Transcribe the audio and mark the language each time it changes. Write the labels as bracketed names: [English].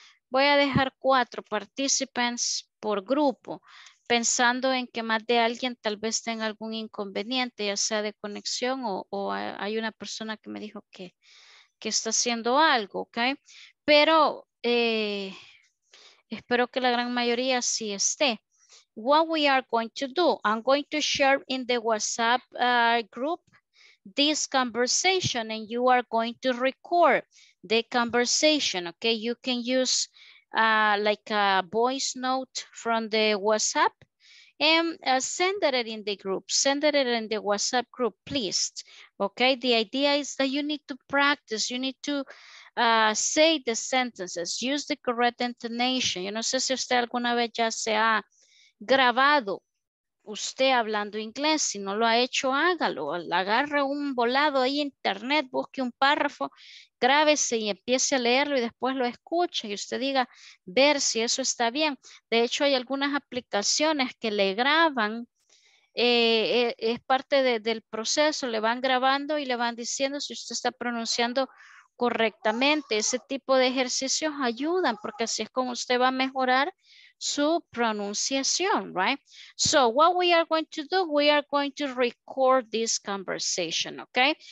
[Spanish] Voy a dejar 4 participants por grupo, pensando en que más de alguien tal vez tenga algún inconveniente, ya sea de conexión o hay una persona que me dijo que está haciendo algo, ¿ok? Pero espero que la gran mayoría sí esté. [English] What we are going to do, I'm going to share in the WhatsApp group this conversation and you are going to record the conversation, okay? You can use like a voice note from the WhatsApp and send it in the group. Send it in the WhatsApp group, please. Okay, the idea is that you need to practice. You need to say the sentences. Use the correct intonation. [Spanish] Yo no sé si usted alguna vez ya se ha grabado usted hablando inglés. Si no lo ha hecho, hágalo. Agarre un volado ahí en internet, busque un párrafo, grábese y empiece a leerlo y después lo escuche y usted diga, ver si eso está bien. De hecho, hay algunas aplicaciones que le graban, es parte del proceso, le van grabando y le van diciendo si usted está pronunciando correctamente. Ese tipo de ejercicios ayudan porque así es como usted va a mejorar su pronunciación, right? [English] So what we are going to do, we are going to record this conversation, okay?